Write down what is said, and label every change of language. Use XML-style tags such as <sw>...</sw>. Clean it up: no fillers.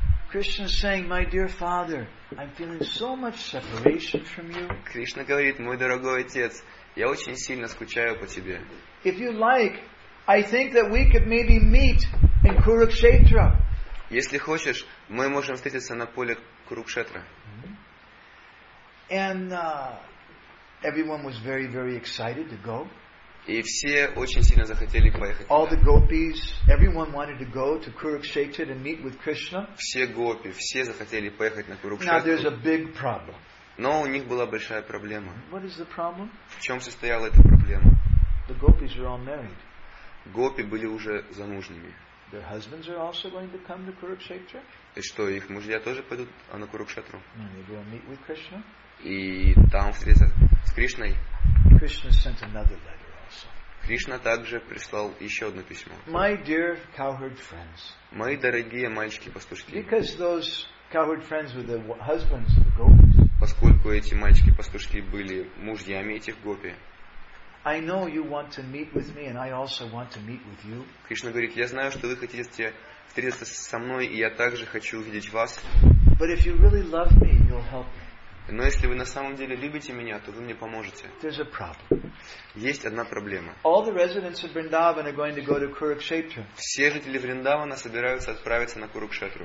<en>Krishna is saying, my dear father, I'm feeling so much separation from you.</en> <ru>Кришна говорит, мой дорогой отец, я очень сильно скучаю по тебе.</ru> <en>If you like, I think that we could maybe meet in Kurukshetra.</en> <ru>Если хочешь, мы можем встретиться на поле Курукшетра.</ru> <en>And everyone was very, very excited to go.</en> <ru>И все очень сильно захотели поехать.</ru> <en>All the gopis, everyone wanted to go to Kurukshetra to meet with Krishna.</en> <ru>Все гопи, все захотели поехать на Курукшетру.</ru> <en>Now there's a big problem.</en> <ru>Но у них была большая проблема.</ru> <en>What is the problem?</en> <ru>В чем состояла эта проблема?</ru> <en>The gopis were all married.</en> <ru>Гопи были уже замужними.</ru> <en>Their husbands are also going to come to Kurukshetra.</en> <ru>И что, их мужья тоже пойдут на Курукшетру?</ru> <en>And they will meet with Krishna.</en> <ru>И там встретиться с Кришной.</ru> <en>Krishna sent another letter also.</en> <ru>Кришна также прислал еще одно письмо.</ru> <en>My dear cowherd friends.</en> <ru>Мои дорогие мальчики-пастушки.</ru> <en>Because those cowherd friends were the husbands of the gopis.</en> <ru>Поскольку эти мальчики-пастушки были мужьями этих гопи.</ru> <en>I know you want to meet with me, and I also want to meet with you.</en> <ru>Кришна говорит, я знаю, что вы хотите встретиться со мной, и я также хочу увидеть вас.</ru> <en>But if you really love me, you'll help me.</en> <ru>Но если вы на самом деле любите меня, то вы мне поможете.</ru> <en>There's a problem.</en> <ru>Есть одна проблема.</ru> <en>All the residents of Vrindavan are going to go to Kurukshetra.</en> <ru>Все жители Вриндавана собираются отправиться на Курукшетру.</ru>